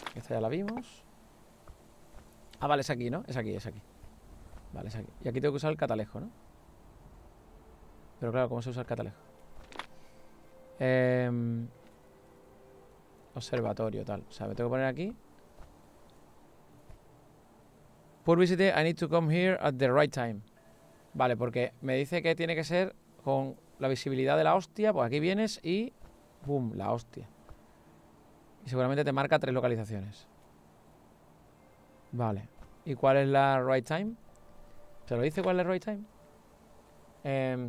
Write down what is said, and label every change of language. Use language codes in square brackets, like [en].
[es] Esta ya la vimos. Ah, vale, es aquí, ¿no? Es aquí, es aquí. Vale, es aquí. Y aquí tengo que usar el catalejo, ¿no? Pero claro, ¿cómo se usa el catalejo? Observatorio, tal. O sea, me tengo que poner aquí. [en] Poor visitor, I need to come here at the right time. [es] Vale, porque me dice que tiene que ser con la visibilidad de la hostia. Pues aquí vienes y... ¡Bum! La hostia. Y seguramente te marca tres localizaciones. Vale. ¿Y cuál es la [en] right time? [es] ¿Se lo dice cuál es el right time?